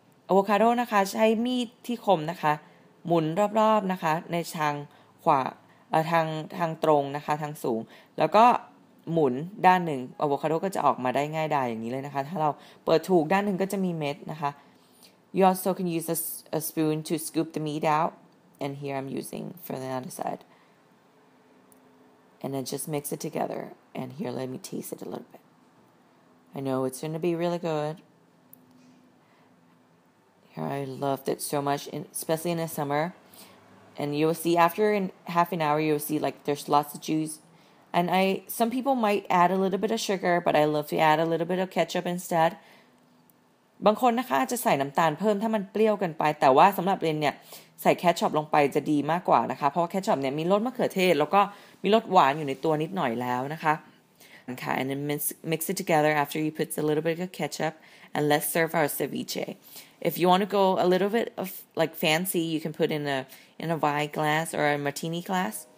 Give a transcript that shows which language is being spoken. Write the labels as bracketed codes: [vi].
[th] Avocado, นะคะใช้มีดที่คมนะคะหมุนรอบๆนะคะในทางขวาทางตรงนะคะทางสูงแล้วก็หมุนด้านหนึ่ง avocado ก็จะออกมาได้ง่ายดายอย่างนี้เลยนะคะถ้าเราเปิดถูกด้านหนึ่งก็จะมีเม็ดนะคะ [en] You also can use a spoon to scoop the meat out, and here I'm using for the other side. And then just mix it together. And here, let me taste it a little bit. I know it's going to be really good. Here, I loved it so much, especially in the summer. And you will see after in half an hour, you will see like there's lots of juice. And some people might add a little bit of sugar, but I love to add a little bit of ketchup instead. [th] บางคนนะคะจะใส่น้ำตาลเพิ่มถ้ามันเปรี้ยวเกินไปแต่ว่าสำหรับเรนเนี่ยใส่แคชอปลงไปจะดีมากกว่านะคะเพราะแคชอปเนี่ยมีรสมะเขือเทศแล้วก็มีรสหวานอยู่ในตัวนิดหน่อยแล้วนะคะนะคะ [en] and then mix it together after you put a little bit of ketchup and let's serve our ceviche if you want to go a little bit of like fancy you can put in a wine glass or a martini glass